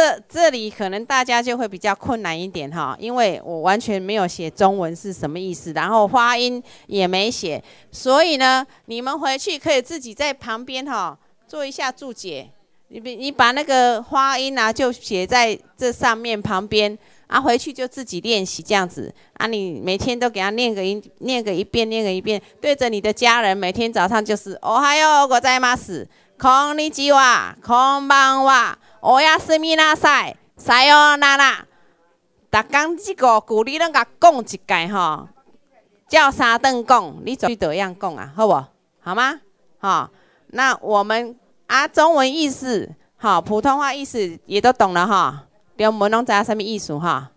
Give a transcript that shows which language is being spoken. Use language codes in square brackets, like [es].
[zh] 这里可能大家就会比较困难一点哈，因为我完全没有写中文是什么意思，然后发音也没写，所以呢，你们回去可以自己在旁边哈做一下注解。你把那个发音啊就写在这上面旁边啊，回去就自己练习这样子啊，你每天都给他念个音，念个一遍，念个一遍，对着你的家人，每天早上就是 [ja] おはようございます。こんにちは、こんばんは、おやすみなさい、さようなら。 [zh] 每天这个鼓励人家讲一次哈，叫三顿讲，你就得样讲啊，好不？好吗？哈，那我们啊，中文意思哈，普通话意思也都懂了哈，连我们拢知啊什么意思哈。